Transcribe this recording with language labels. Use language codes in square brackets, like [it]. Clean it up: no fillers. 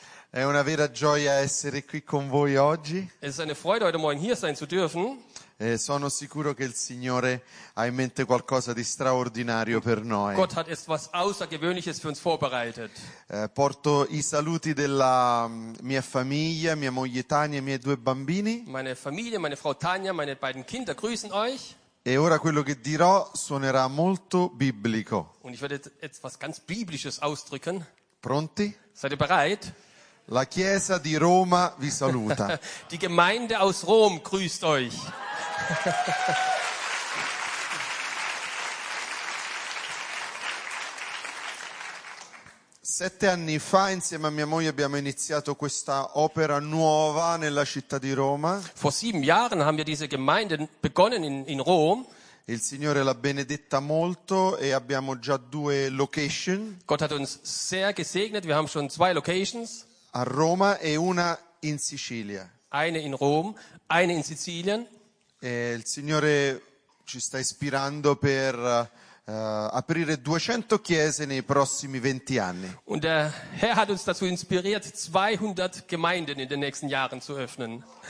[it] È una vera gioia essere qui con voi oggi. [de] Es ist eine Freude, heute Morgen hier sein zu dürfen. [it] Sono sicuro che il Signore ha in mente qualcosa di straordinario per noi. [de] Gott hat etwas Außergewöhnliches für uns vorbereitet. [it] Porto i saluti della mia famiglia, mia moglie Tania e i miei due bambini. [de] Meine Familie, meine Frau Tania, meine beiden Kinder grüßen euch. [it] E ora quello che dirò suonerà molto biblico. [de] Und ich werde etwas ganz Biblisches ausdrücken. [it] Pronti? [de] Seid ihr bereit? [it] La Chiesa di Roma vi saluta. [de] Die Gemeinde aus Rom grüßt euch. [it] Sette anni fa insieme a mia moglie abbiamo iniziato questa opera nuova nella città di Roma. [de] Vor sieben Jahren haben wir diese Gemeinde begonnen in Rom. [it] Il Signore l'ha benedetta molto e abbiamo già due location. [de] Gott hat uns sehr gesegnet, wir haben schon zwei locations. [it] A Roma e una in Sicilia. [de] Eine in Rom, eine in Sizilien. [it] E il Signore ci sta ispirando per aprire 200 chiese nei prossimi 20 anni. [de] Und der Herr hat uns dazu inspiriert, 200 Gemeinden in den nächsten Jahren zu öffnen.